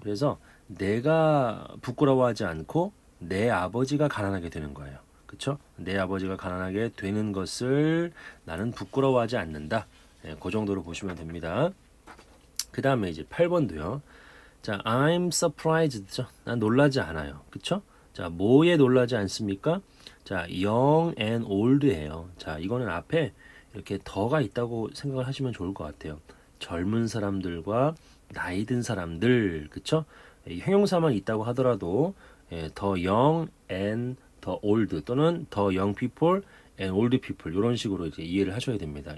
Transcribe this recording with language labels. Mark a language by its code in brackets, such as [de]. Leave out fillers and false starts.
[ko] 그래서 내가 부끄러워하지 않고 내 아버지가 가난하게 되는 거예요. 그렇죠? 내 아버지가 가난하게 되는 것을 나는 부끄러워하지 않는다. 예, 그 정도로 보시면 됩니다. 그 다음에 이제 8번도요. 자, [en] I'm surprised [ko] 죠. 난 놀라지 않아요. 그쵸? 자, 뭐에 놀라지 않습니까? 자, young and old예요. 자, 이거는 앞에 이렇게 더가 있다고 생각을 하시면 좋을 것 같아요. 젊은 사람들과 나이 든 사람들, 그쵸? 형용사만 있다고 하더라도 예, the young and the old 또는 the young people and old people 이런 식으로 이제 이해를 하셔야 됩니다.